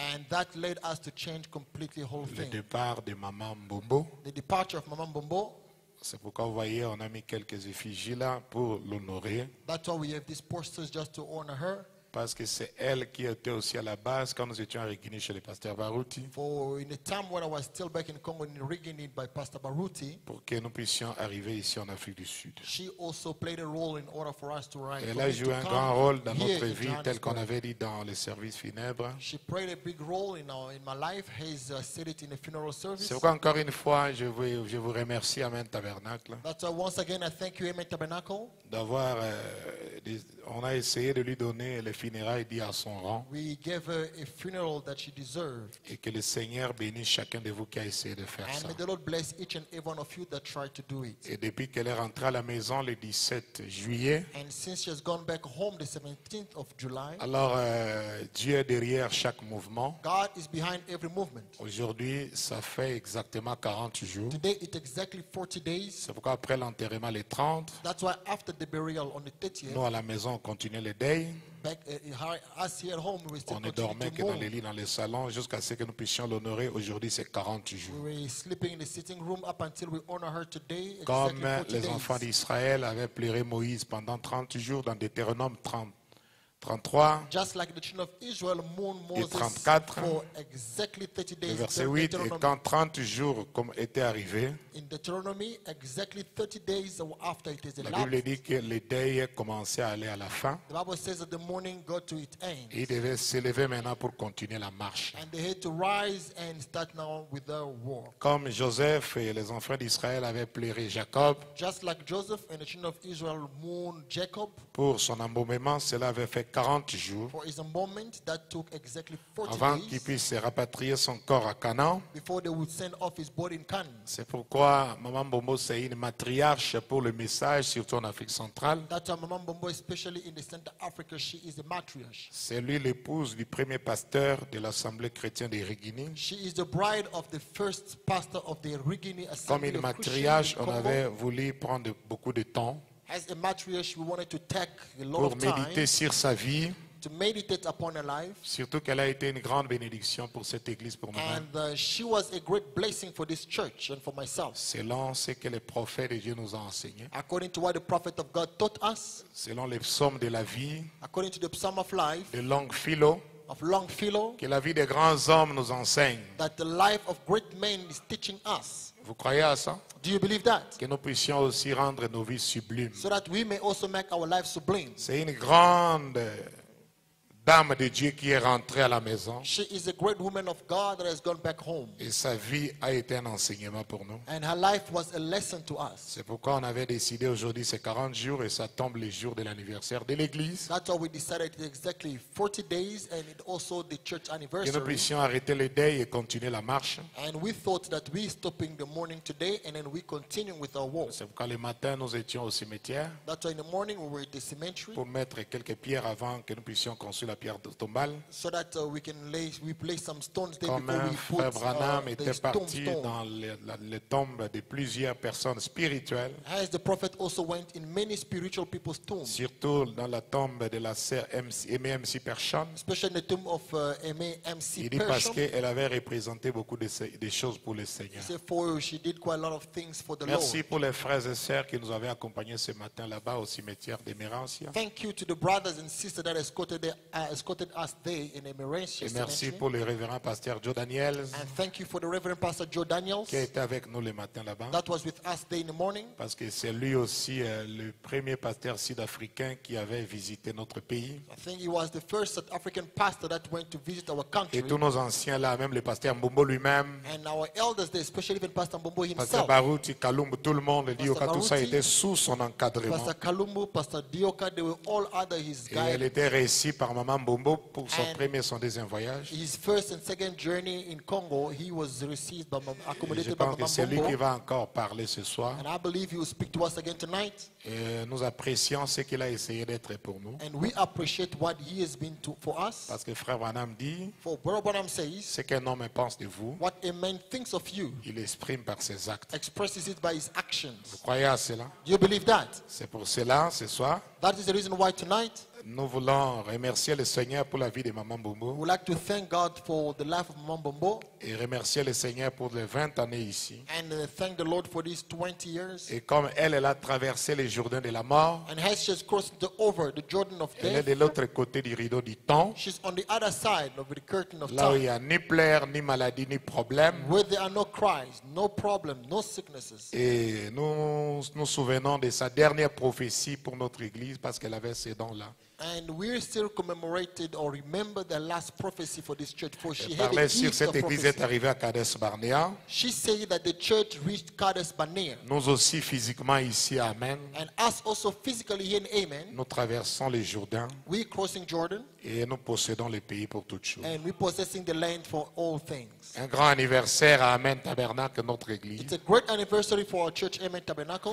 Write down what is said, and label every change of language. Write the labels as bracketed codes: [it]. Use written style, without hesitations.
[en] And that led us to change completely whole thing. [fr] Le départ de Maman Mbombo. [en] The departure of Maman Mbombo. [fr] C'est pourquoi vous voyez, on a mis quelques effigies là pour l'honorer. [en] That's why we have these posters just to honor her. [fr] Parce que c'est elle qui était aussi à la base quand nous étions à Rigini chez le pasteur Baruti. [en] For in the time when I was still back in Congo in Rigini by Pastor Baruti. [fr] Pour que nous puissions arriver ici en Afrique du Sud. [en] She also played a role in order for us to arrive. [fr] Elle a joué un grand rôle dans notre vie, tel qu'on avait dit dans les services funèbres. [en] She played a big role in my life. Has said it in the funeral service. [fr] C'est pourquoi encore une fois, je vous remercie, Amen Tabernacle. [en] That's why once again I thank you, Amen Tabernacle. [fr] D'avoir, on a essayé de lui donner les funérailles dit à son rang. [en] We gave her a funeral that she deserved. [fr] Et que le Seigneur bénisse chacun de vous qui a essayé de faire [en] and [fr] ça. [en] May the Lord bless each and every one of you that tried to do it. [fr] Et depuis qu'elle est rentrée à la maison le 17 juillet. [en] And since she has gone back home the 17th of July. [fr] Alors Dieu est derrière chaque mouvement. [en] God is behind every movement. [fr] Aujourd'hui, ça fait exactement 40 jours. [en] Today it's exactly 40 days. [fr] C'est pourquoi après l'enterrement le 30. [en] That's why after the burial on the 30th. [fr] Nous à la maison continuons le deuil. [en] Back, us here at home, we still [fr] on ne dormait que [en] move. [fr] Dans les lits, dans les salons, jusqu'à ce que nous puissions l'honorer. Aujourd'hui, c'est 40 jours. [en] We were sleeping in the sitting room up until we honor her today. Exactly [fr] comme [en] 40 [fr] les [en] days. [fr] Enfants d'Israël avaient pleuré Moïse pendant 30 jours dans Deutéronome 30, 33. [en] Just like the children of Israel mourned Moses [fr] et 34, [en] for exactly 30 days. [fr] Verset 8, et quand 30 jours comme étaient arrivés, [en] in Deuteronomy, exactly 30 days after it is elapsed, [fr] la Bible dit que les deuils commençaient à aller à la fin. [en] The Bible says that the mourning got to its end. [fr] Ils devaient s'élever maintenant pour continuer la marche. [en] And they had to rise and start now with their walk. [fr] Comme Joseph et les enfants d'Israël avaient pleuré Jacob, [en] just like Joseph and the children of Israel mourned Jacob, [fr] pour son embaumement, cela avait fait 40 jours [en] for his embalmment, that took exactly 40 [fr] avant [en] days, [fr] qu'il puisse rapatrier son corps à Canaan. [en] Before they would send off his body in Canaan. [fr] C'est pourquoi Maman Bombo c'est une matriarche pour le message, surtout en Afrique centrale. [en] That's why Maman Bombo, especially in the Central Africa, she is a matriarch. [fr] C'est lui l'épouse du premier pasteur de l'Assemblée chrétienne de Rigini. [en] She is the bride of the first pastor of the Rigini Assembly. [fr] Comme une matriarche, on avait voulu prendre beaucoup de temps. [en] As a matriarch, we wanted to take a lot [fr] pour [en] of time [fr] méditer sur sa vie, [en] to meditate upon her life. [fr] Surtout qu'elle a été une grande bénédiction pour cette église, pour moi. [en] And she was a great blessing for this church and for myself. [fr] Selon ce que les prophètes de Dieu nous ont enseigné. [en] According to what the prophet of God taught us. [fr] Selon les psaumes de la vie. [en] According to the psalm of life. [fr] De Longfellow. [en] Of Longfellow. [fr] Que la vie des grands hommes nous enseigne. [en] That the life of great men is teaching us. [fr] Vous croyez à ça? [en] Do you believe that? [fr] Que nous puissions aussi rendre nos vies sublimes. [en] So that we may also make our lives sublime. [fr] C'est une grande dame de Dieu qui est rentrée à la maison. [en] She is a great woman of God that has gone back home. [fr] Et sa vie a été un enseignement pour nous. [en] And her life was a lesson to us. [fr] C'est pourquoi on avait décidé aujourd'hui c'est 40 jours et ça tombe les jours de l'anniversaire de l'église. [en] That's why we decided exactly 40 days and also the church anniversary. [fr] Que nous puissions arrêter le deuil et continuer la marche. [en] And we thought that we stopping the mourning today and then we continue with our walk. [fr] C'est pourquoi le matin nous étions au cimetière. [en] That's why in the morning we were at the cemetery. [fr] Pour mettre quelques pierres avant que nous puissions construire pierre tombale. [en] So that we can lay, we place some stones there. [fr] Comme [en] before we put [fr] Branham était parti dans les tombes de plusieurs personnes spirituelles. [en] As the prophet also went in many spiritual people's tombs. [fr] Surtout dans la tombe de la sœur M.C. Pershon. [en] Especially in the tomb of M.C. Pershon. [fr] Il dit parce qu'elle avait représenté beaucoup de choses pour le Seigneur. [en] He said for she did quite a lot of things for the [fr] Merci [en] Lord. [fr] Merci pour les frères et sœurs qui nous avaient accompagnés ce matin là-bas au cimetière d'Emerencia. [en] Thank you to the brothers and sisters that escorted there. Escorted us there in Emirates. [fr] Et merci pour le révérend pasteur Joe Daniels. [en] And thank you for the Reverend Pastor Joe Daniels. [fr] Qui était avec nous le matin là-bas. [en] That was with us there in the morning. [fr] Parce que c'est lui aussi le premier pasteur sud-africain qui avait visité notre pays. [en] I think he was the first South African pastor that went to visit our country. [fr] Et tous nos anciens là, même le pasteur Mbombo lui-même. [en] And our elders there, especially even Pastor Mbombo himself. [fr] Pasteur Baruti, Kalumbu, tout le monde, Pastor Dioka, tout ça était sous son encadrement. [en] Pastor Kalumbu, Pastor Dioka, they were all under his guidance. [fr] Et elle était réussie par maman Mbombo pour son premier son deuxième voyage. [en] His first and second journey in Congo, he was received by accommodated by Mbombo. [fr] Je pense que c'est lui qui va encore parler ce soir. [en] And I believe he will speak to us again tonight. [fr] Et nous apprécions ce qu'il a essayé d'être pour nous. [en] And we appreciate what he has been to for us. [fr] Parce que frère Branham dit, [en] for Brother Branham says, [fr] ce qu'un homme pense de vous, [en] what a man thinks of you, [fr] il exprime par ses actes. [en] Expresses it by his actions. [fr] Vous croyez à cela? [en] Do you believe that? [fr] C'est pour cela ce soir. [en] That is the reason why tonight. [fr] Nous voulons remercier le Seigneur pour la vie de Maman Bombo. [en] We'd like to thank God for the life of Maman Bombo. [fr] Et remercier le Seigneur pour les 20 années ici. [en] And thank the Lord for these 20 years. [fr] Et comme elle a traversé les Jourdains de la mort. [en] And has she crossed over the Jordan of death. [fr] Elle est de l'autre côté du rideau du temps. [en] She's on the other side of the curtain of time. [fr] Là où il n'y a ni pleurs, ni maladies, ni problèmes. [en] Where there are no cries, no problems, no sicknesses. [fr] Et nous nous souvenons de sa dernière prophétie pour notre église parce qu'elle avait ces dents là. [en] And we still commemorated or remember the last prophecy for this church. For she had a gift [fr] cette église est arrivée à Kadesh Barnea. [en] She said that the church reached Kadesh Barnea. [fr] Nous aussi physiquement ici, amen. [en] And us also physically here, amen. [fr] Nous traversons les Jourdains. [en] We crossing Jordan. [fr] Et nous possédons les pays pour toutes choses. [en] And we possessing the land for all things. [fr] Un grand anniversaire à Amen Tabernacle, notre église. [en] It's a great anniversary for our church, Amen Tabernacle.